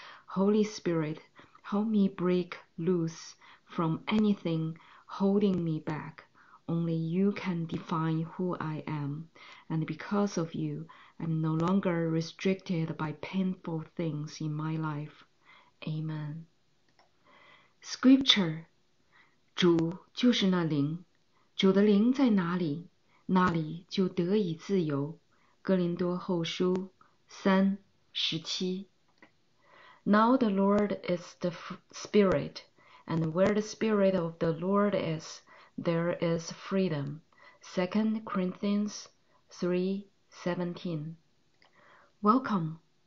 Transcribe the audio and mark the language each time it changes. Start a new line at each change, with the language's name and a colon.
English: Holy Spirit, help me break loose from anything holding me back. Only you can define who I am, and because of you, I'm no longer restricted by painful things in my life. Amen. Scripture.
Chinese: 主就是那灵，主的灵在哪里，那里就得以自由。哥林多后书3:17。
English: Now the Lord is the Spirit, and where the Spirit of the Lord is, there is freedom. 2 Corinthians 3:17. Welcome.